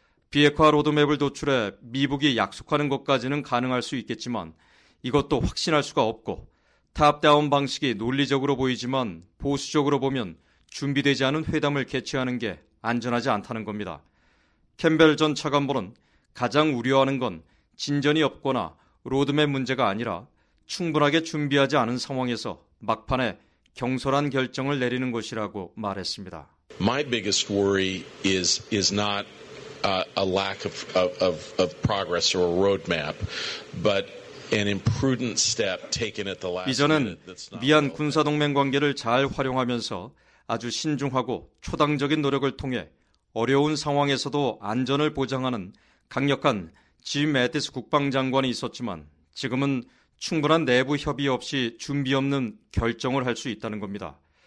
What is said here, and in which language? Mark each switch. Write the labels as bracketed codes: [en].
[ko] 비핵화 로드맵을 도출해 미북이 약속하는 것까지는 가능할 수 있겠지만 이것도 확신할 수가 없고 탑다운 방식이 논리적으로 보이지만 보수적으로 보면 준비되지 않은 회담을 개최하는 게 안전하지 않다는 겁니다. 캠벨 전 차관보는 가장 우려하는 건 진전이 없거나 로드맵 문제가 아니라 충분하게 준비하지 않은 상황에서 막판에 경솔한 결정을 내리는 것이라고 말했습니다. [en] My biggest worry is not a lack of progress or a roadmap, but an imprudent step taken at the last minute. [ko] 이전은 미한 군사 동맹 관계를 잘 활용하면서 아주 신중하고 초당적인 노력을 통해 어려운 상황에서도 안전을 보장하는 강력한 짐 매티스 국방장관이 있었지만 지금은 충분한 내부 협의 없이 준비 없는 결정을 할 수 있다는 겁니다.